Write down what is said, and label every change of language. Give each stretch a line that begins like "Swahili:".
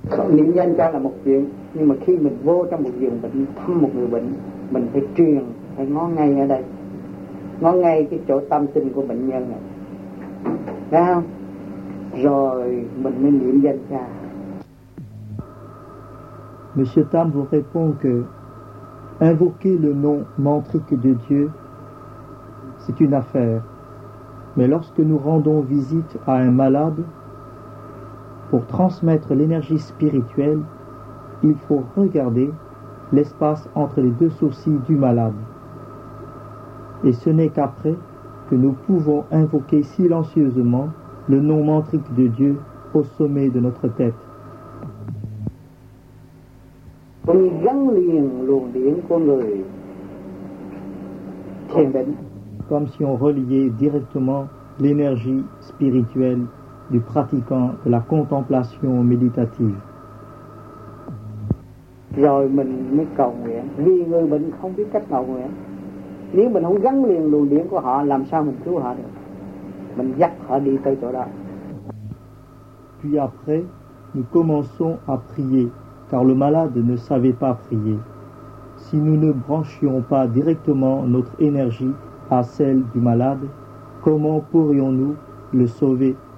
Vietnamese: Niệm danh cha là một chuyện, nhưng mà khi mình vô trong một giường bệnh thăm một người bệnh, mình phải truyền, phải ngó ngay ở đây, ngó ngay cái chỗ tâm sinh của bệnh nhân này, thấy không? Rồi mình mới niệm danh cha.
French: Monsieur Tam vous répond que invoquer le nom mantrique de Dieu, c'est une affaire. Mais lorsque nous rendons visite à un malade, pour transmettre l'énergie spirituelle, il faut regarder l'espace entre les deux sourcils du malade. Et ce n'est qu'après que nous pouvons invoquer silencieusement le nom mantrique de Dieu au sommet de notre tête.
Vietnamese: On gắn liền luồng điển của người thiền định.
French: Comme si on reliait directement l'énergie spirituelle du pratiquant de la contemplation méditative.
Vietnamese: Rồi mình mới cầu nguyện. Vì người bệnh không biết cách cầu nguyện. Nếu mình không gắn liền luồng điển của họ, làm sao mình cứu họ được? Mình dắt họ đi tới chỗ đó.
French: Puis après, nous commençons à prier. Car le malade ne savait pas prier. Si nous ne branchions pas directement notre énergie à celle du malade, comment pourrions-nous le sauver?